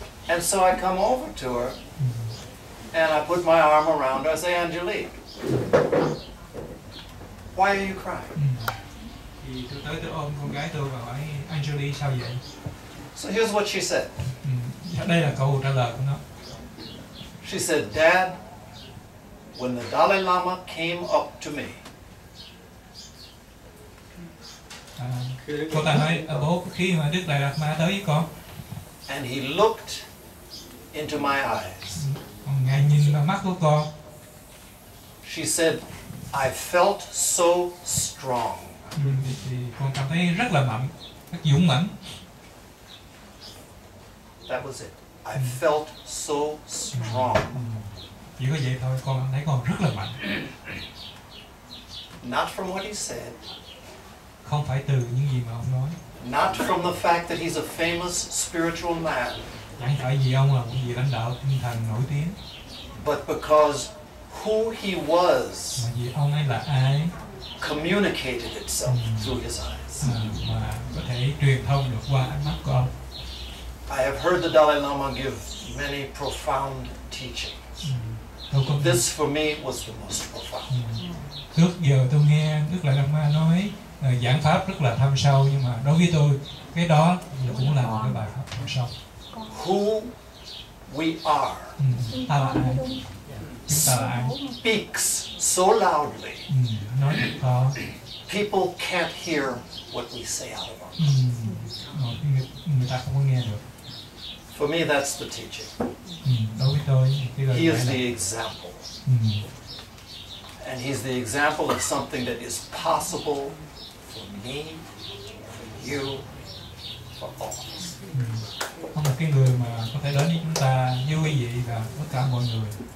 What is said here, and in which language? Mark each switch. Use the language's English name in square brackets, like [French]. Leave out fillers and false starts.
[English] And so I come over to her and I put my arm around her. I say, Angelique, why are you crying? [Vietnamese] Thì tôi tới tôi ôm con gái tôi và hỏi Angelique sao vậy? [English] So here's what she said. [Vietnamese] Đây là câu trả lời của nó. [English] She said, Dad, when the Dalai Lama came up to me. [Vietnamese] Cô ta nói, bố, khi mà Đức Đại Lạt Ma tới với con. [English] And he looked into my eyes. [Vietnamese] Ngài nhìn vào mắt của con. [English] She said, I felt so strong. [Vietnamese] Con cảm thấy rất là mạnh, rất dũng mãnh. [English] That was it. I felt so strong. [Vietnamese] Chỉ có vậy thôi, con thấy con rất là mạnh. [English] Not from what he said. [Vietnamese] Không phải từ những gì mà ông nói. [English] Not from the fact that he's a famous spiritual man. [Vietnamese] Chẳng phải vì ông là một vị lãnh đạo tinh thần nổi tiếng. [English] But because who he was, [Vietnamese] mà vì ông ấy là ai, [English] communicated itself through his eyes. [Vietnamese] Mà có thể truyền thông được qua ánh mắt của ông. [English] I have heard the Dalai Lama give many profound teachings. This for me was the most profound. [Vietnamese] Trước giờ tôi nghe Đức Đại Lạt Ma nói giảng pháp rất là thâm sâu, nhưng mà đối với tôi cái đó cũng là một cái bài học thâm sâu. [English] Who we are. [Vietnamese] Ta là ai? [English] Speaks so loudly. [Vietnamese] Nói rất to. [English] People can't hear what we say out of our mouth. [Vietnamese] Người ta không có nghe được. [English] For me, that's the teaching. [Vietnamese] Đối với tôi, cái đó [English] he is the example. And he's the example of something that is possible for me, for you, for all of us. [Vietnamese] Ông là cái người mà có thể đến với chúng ta như quý vị và tất cả mọi người.